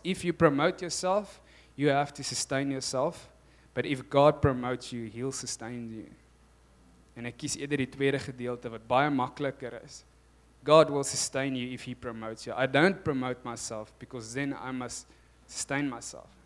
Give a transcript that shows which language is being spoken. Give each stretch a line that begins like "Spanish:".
English: If you promote yourself, you have to sustain yourself. But if God promotes you, he'll sustain you.
Afrikaans: En ek kies eerder die tweede gedeelte wat baie makliker is.
English: God will sustain you if he promotes you. I don't promote myself because then I must sustain myself.